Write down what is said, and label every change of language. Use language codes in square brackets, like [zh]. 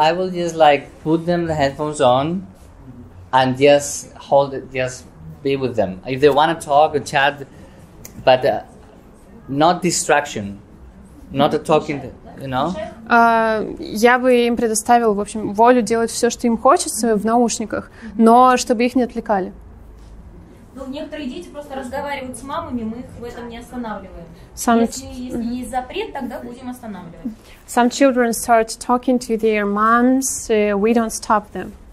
[en] I will just like put them the headphones on and just hold it, just be with them. If they want to talk or chat. But not distraction, not a talking, you know? [ru] Я бы им предоставил, в общем, волю делать все, что им хочется в наушниках, но чтобы их не отвлекали. Ну, некоторые дети просто разговаривают с мамами, мы их в этом не останавливаем. Если есть запрет, тогда будем останавливать. [en] Some children start talking to their moms, we don't stop them.